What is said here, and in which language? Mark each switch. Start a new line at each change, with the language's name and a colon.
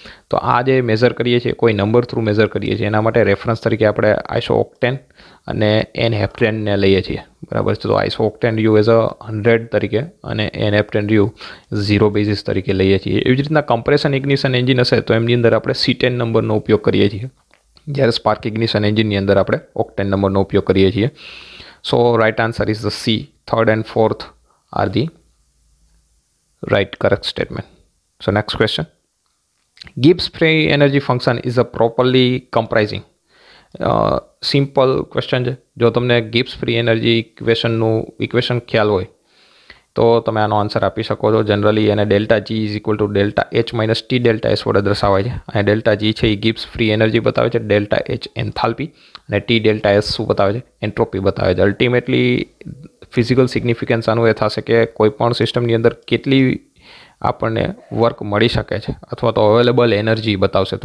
Gujarati: તો આ જે મેઝર કરીએ છીએ કોઈ નંબર થ્રુ મેઝર કરીએ છીએ, એના માટે રેફરન્સ તરીકે આપણે આઈસો ઓક્ટેન અને એન હેપ્ટેનને લઈએ છીએ, બરાબર છે? તો આઈસો ઓક્ટેન રિયુ એઝ અ 100 તરીકે અને એન હેપ્ટેન રિયુ 0 બેઝિસ તરીકે લઈએ છીએ. એવી જ રીતના કમ્પ્રેશન ઇગ્નિશન એન્જિન હશે તો એમની અંદર આપણે C10 નંબરનો ઉપયોગ કરીએ છીએ, જ્યારે સ્પાર્ક ઇગ્નિશન એન્જિનની અંદર આપણે ઓક્ટેન નંબરનો ઉપયોગ કરીએ છીએ.
English: So right answer is the C. Third and fourth are the right correct statement. So next question, Gibbs free energy function is a properly comprising. Simple question,
Gujarati: જો તમને Gibbs free energy equation નું equation ખ્યાલ હોય તો તમે આનો answer આપી શકો છો.
English: generally એને delta G is equal to delta H minus T delta S
Gujarati: વડે દર્શાવાય છે. અને ડેલ્ટા જી છે એ ગિબ્સ ફ્રી એનર્જી બતાવે છે, ડેલ્ટા એચ એન્થાલ્પી, અને ટી ડેલ્ટા એસ શું બતાવે છે, એન્ટ્રોપી બતાવે છે. અલ્ટિમેટલી ફિઝિકલ સિગ્નિફિકન્સ આનું એ થશે કે કોઈપણ સિસ્ટમની અંદર કેટલી આપણને વર્ક મળી શકે છે અથવા તો અવેલેબલ એનર્જી બતાવશે.